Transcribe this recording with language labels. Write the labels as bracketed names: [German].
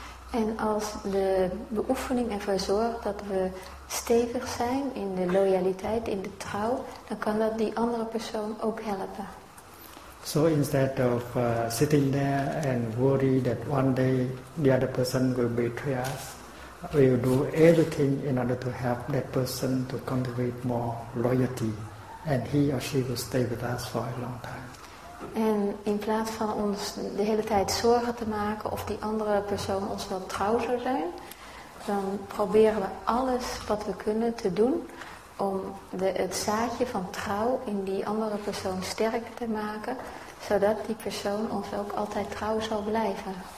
[Dutch] En als de beoefening ervoor zorgt dat we stevig zijn in de loyaliteit, in de trouw, dan kan dat die andere persoon ook helpen. [English] So instead of sitting there and worry that one day the other person will betray us, we will do everything in order to help that person to cultivate more loyalty, and he or she will stay with us for a long time. [Dutch] En in plaats van ons de hele tijd zorgen te maken of die andere persoon ons wel trouw zou zijn, dan proberen we alles wat we kunnen te doen om het zaadje van trouw in die andere persoon sterk te maken, zodat die persoon ons ook altijd trouw zal blijven.